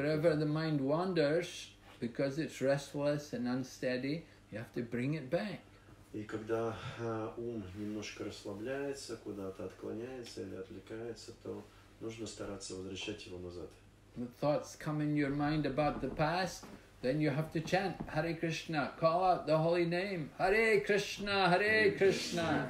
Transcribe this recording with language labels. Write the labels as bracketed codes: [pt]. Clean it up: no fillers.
[en] Wherever the mind wanders, because it's restless and unsteady, you have to bring it back. [ru] И когда ум немножко расслабляется, куда-то отклоняется или отвлекается, то нужно стараться возвращать его назад. [en] The thoughts come in your mind about the past, then you have to chant Hare Krishna, call out the holy name, Hare Krishna, Hare Krishna,